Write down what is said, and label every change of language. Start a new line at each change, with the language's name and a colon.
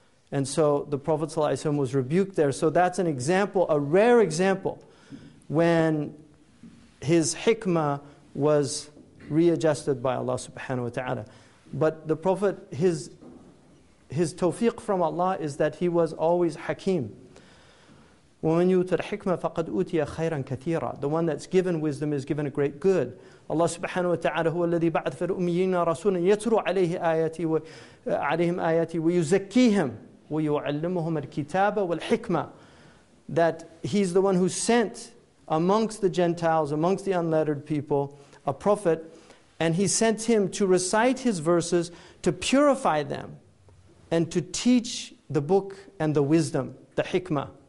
English: And so the Prophet ﷺ was rebuked there. So that's an example, a rare example, when his hikmah was readjusted by Allah subhanahu wa ta'ala. But the Prophet, his tawfiq from Allah is that he was always hakim.
Arabic: وَمَنْ يُوتَ الْحِكْمَةَ فَقَدْ أُوتِيَ خَيْرًا كَثِيرًا.
English: The one that's given wisdom is given a great good.
Arabic: Allah subhanahu wa ta'ala هو الذي بعث في الأميين رسولا يتلو عليه آياتي وعليهم آياتي ويزكيهم ويعلمهم الكتاب والحكمة.
English: That he's the one who sent amongst the Gentiles, amongst the unlettered people, a prophet, and he sent him to recite his verses, to purify them, and to teach the book and the wisdom, the hikmah.